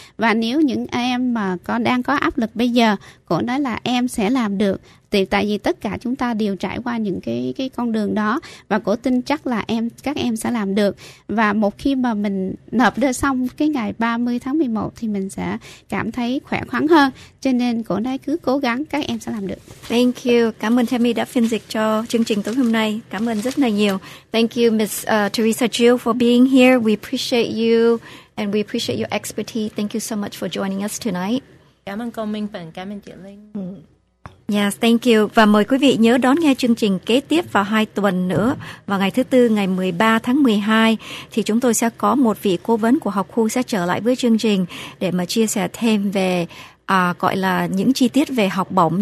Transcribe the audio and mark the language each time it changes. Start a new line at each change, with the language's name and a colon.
Vietnamese: Và nếu những em mà đang có áp lực bây giờ, cô nói là em sẽ làm được, thì tại vì tất cả chúng ta đều trải qua những cái con đường đó, và cô tin chắc là các em sẽ làm được. Và một khi mà mình nộp đơn xong cái ngày 30 tháng 11 thì mình sẽ cảm thấy khỏe khoắn hơn, cho nên cô nói cứ cố gắng, các em sẽ làm được.
English: Thank you.
Vietnamese: Cảm ơn Tammy đã phiên dịch cho chương trình tối hôm nay. Cảm ơn rất là nhiều.
English: Thank you, Ms. Teresa Jill, for being here. We appreciate you, and we appreciate your expertise. Thank you so much for joining us tonight.
Vietnamese: Cảm ơn cô Minh Phần, cảm ơn chị Linh.
English: Yes, thank you.
Vietnamese: Và mời quý vị nhớ đón nghe chương trình kế tiếp vào 2 tuần nữa. Vào ngày thứ Tư, ngày 13 tháng 12, thì chúng tôi sẽ có một vị cố vấn của học khu sẽ trở lại với chương trình để mà chia sẻ thêm về gọi là những chi tiết về học bổng.